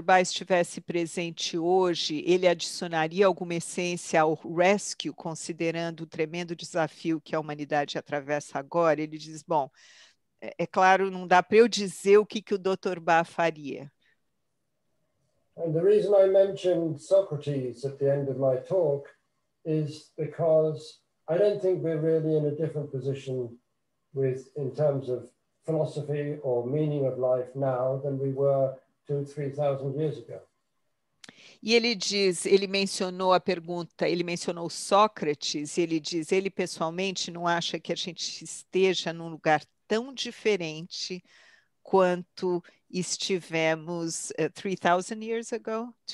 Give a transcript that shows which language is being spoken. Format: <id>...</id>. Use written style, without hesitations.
<pt>Ba estivesse presente hoje, ele adicionaria alguma essência ao rescue, considerando o tremendo desafio que a humanidade atravessa agora? Ele diz, bom, é claro, não dá para eu dizer o que o Dr. Ba faria.</pt> <en>And the reason I mentioned Socrates at the end of my talk is because I don't think we're really in a different position with, in terms of philosophy or meaning of life now than we were 2,000-3,000 years ago.</en> <pt>E ele diz, ele mencionou a pergunta, ele mencionou Sócrates, e ele diz, ele pessoalmente não acha que a gente esteja num lugar tão diferente quanto estivemos 3,000</pt> <en>years ago,</en>